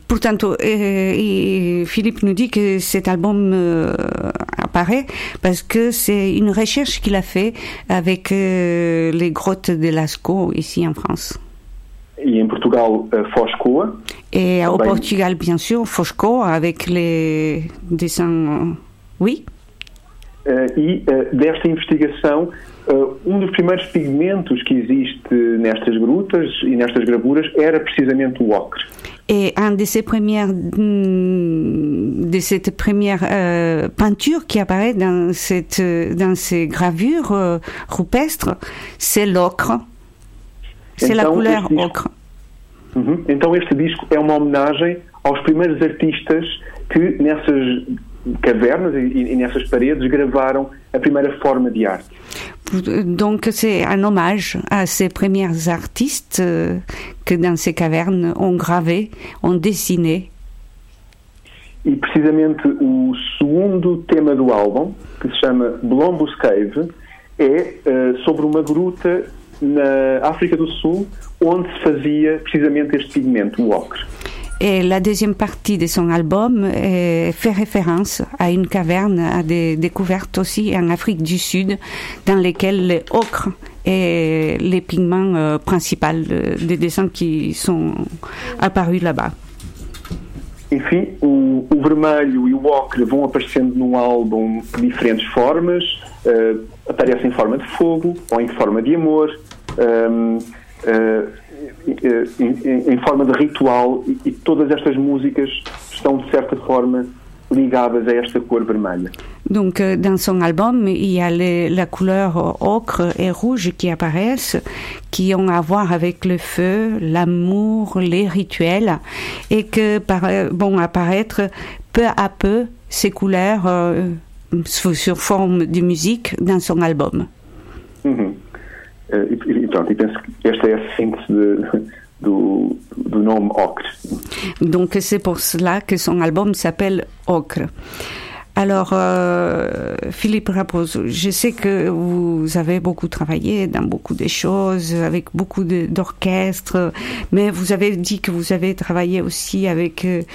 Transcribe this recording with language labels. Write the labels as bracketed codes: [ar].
[fr] Portanto, Philippe nous dit que cet album apparaît parce que c'est une recherche qu'il a fait avec les grottes de Lascaux ici en France. [pt] E em Portugal, Foscoa. E ao Portugal, [fr] bien sûr, Foscoa, avec les dessins. Oui. [pt] Desta investigação, um dos primeiros pigmentos que existe nestas grutas e nestas gravuras era precisamente o ocre. E um [fr] de ces premières. De cette première peinture qui apparaît dans ces gravures rupestres, c'est l'ocre. C'est la couleur ocre. [pt] Então este disco é uma homenagem aos primeiros artistas que nessas cavernas e nessas paredes gravaram a primeira forma de arte. [fr] Donc c'est un hommage à ces premiers artistes que dans ces cavernes ont gravé, ont dessiné. [pt] E precisamente o segundo tema do álbum, que se chama Blombos Cave, é sobre uma gruta na África do Sul, onde se fazia precisamente este pigmento, o ocre. E a [fr] deuxième partie de son album fait référence à une caverne, à des découvertes aussi en Afrique du Sud, dans lesquelles le ocre est le pigment principal des dessins qui sont apparus là-bas. [pt] Enfim, o vermelho e o ocre vão aparecendo no álbum de diferentes formas, aparecem em forma de fogo ou em forma de amor, em forma de ritual, e todas estas músicas estão de certa forma ligadas a esta cor vermelha. [fr] Donc, dans son album, il y a la couleur ocre et rouge qui apparaissent, qui ont à voir avec le feu, l'amour, les rituels, et que vont apparaître peu à peu ces couleurs sur forme de musique dans son album. Et pense [pt] que esta é a síntese do nome Ocre. [fr] Donc, c'est pour cela que son album s'appelle Ocre. Alors, Philippe Raposo, je sais que vous avez beaucoup travaillé dans beaucoup de choses, avec beaucoup d'orchestres, mais vous avez dit que vous avez travaillé aussi avec...